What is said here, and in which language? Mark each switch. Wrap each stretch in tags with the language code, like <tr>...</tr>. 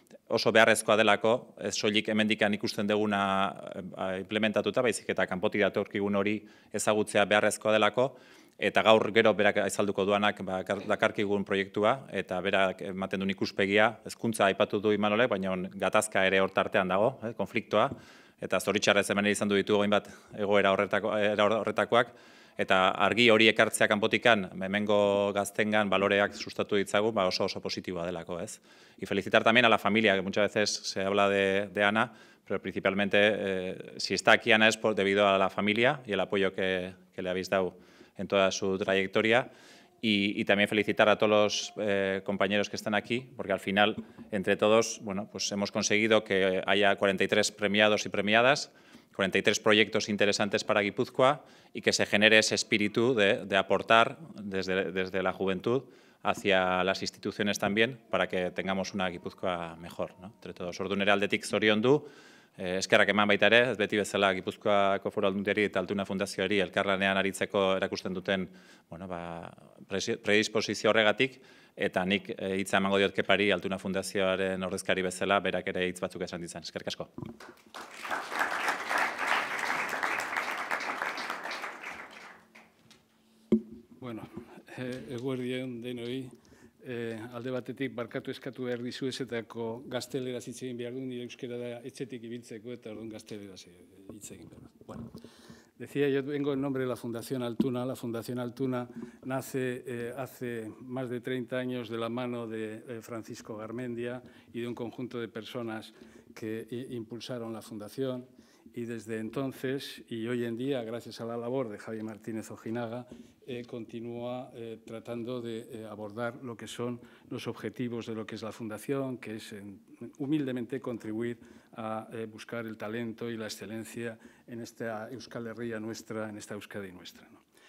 <eu>oso beharrezkoa delako, ez soilik hemendikan ikusten duguna implementatuta, baizik eta kanpotik datorkigun hori ezagutzea beharrezkoa delako, eta gaur gero berak aizalduko duanak dakarkigun proiektua, eta berak ematen duen ikuspegia, hezkuntza aipatu du Imanolek, baina gatazka ere hor tartean dago, konfliktoa, eta zoritxarrez hemen izan du ditugu hainbat egoera horretakoak, eta argi hori ekartzea kanpotikan, hemengo gaztengan baloreak sustatu ditzagu, oso positiboa delako, ez.</eu> <es>Y felicitar también a la familia, que muchas veces se habla de Ana, pero principalmente, si está aquí Ana es debido a la familia y el apoyo que le habéis dado en toda su trayectoria. Y también felicitar a todos los compañeros que están aquí, porque al final, entre todos, bueno, pues hemos conseguido que haya 43 premiados y premiadas, 43 proyectos interesantes para Gipuzkoa y que se genere ese espíritu de aportar desde la juventud hacia las instituciones también para que tengamos una Gipuzkoa mejor, ¿no? Entre todos,</es> <eu>ordu nere aldetik zoriondu, eskerrak eman baita ere, ez beti bezala Gipuzkoako Foru Aldundiari eta Altuna Fundazioari elkarlanean aritzeko erakusten duten predisposizio horregatik, eta nik hitza emango diot Kepari Altuna Fundazioaren ordezkari bezala, berak ere hitz batzuk esan ditzan, eskerrik asko. Bueno, eguerdien denoi, alde batetik barkatu eskatu behar dizuezetako gaztelera zitzegin behar duen, nire euskera da etxetik ibiltzeko eta orduan gaztelera zitzegin behar.</eu> <es>Bueno, decía, yo vengo en nombre de la Fundación Altuna. La Fundación Altuna nace hace más de 30 años de la mano de Francisco Garmendia y de un conjunto de personas que impulsaron la Fundación. Y desde entonces, y hoy en día, gracias a la labor de Javier Martínez Ojinaga, continúa tratando de abordar lo que son los objetivos de lo que es la Fundación, que es humildemente contribuir a buscar el talento y la excelencia en esta Euskal Herria nuestra, en esta Euskadi nuestra, ¿no?</es>